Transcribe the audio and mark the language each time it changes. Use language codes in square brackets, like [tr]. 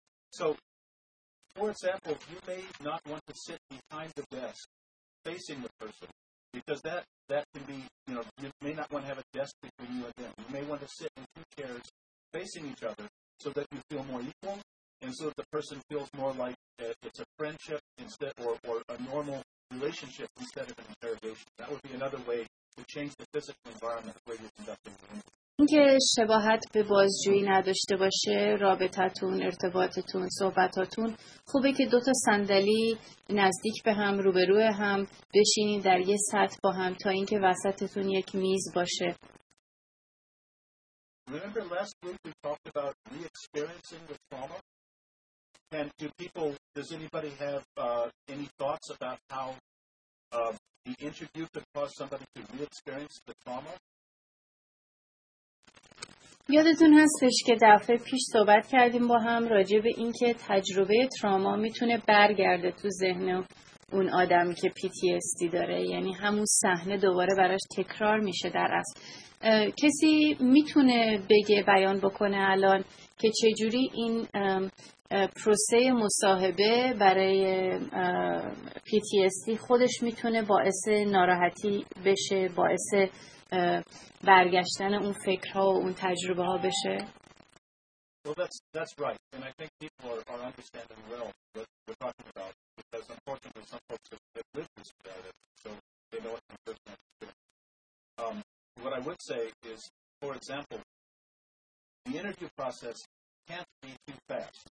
[en] So, for example, you may not want to sit behind the desk facing the person, because that can be, you know, you may not want to have a desk between you and them. You may want to sit in two chairs facing each other so that you feel more equal and so that the person feels more like it's a friendship instead or a normal relationship instead of an interrogation. That would be another way to change the physical environment where you're conducting the interview. [fa] اینکه شباهت به بازجویی نداشته باشه رابطتون، ارتباطتون، صحبتاتون، خوبه که دوتا صندلی نزدیک به هم، روبروه هم بشینید در یه سطح با هم، تا اینکه وسطتون یک میز باشه. [en] Remember last week we talked about re-experiencing the trauma? And does anybody have any thoughts about how the interview could cause somebody to re-experience the trauma? [fa] یادتون هستش که دفعه پیش صحبت کردیم با هم راجع به این که تجربه تراما میتونه برگرده تو ذهن اون آدمی که PTSD داره، یعنی همون صحنه دوباره براش تکرار میشه در اصل. کسی میتونه بگه، بیان بکنه الان که چجوری این پروسه مصاحبه برای PTSD خودش میتونه باعث ناراحتی بشه، باعث برگشتن اون فکرها و اون تجربه ها بشه؟ [en] Well, that's right. And I think people are understanding well what we're talking about. Because unfortunately, some folks have lived this about it, so they know it from personal experience. What I would say is, for example, the interview process can't be too fast.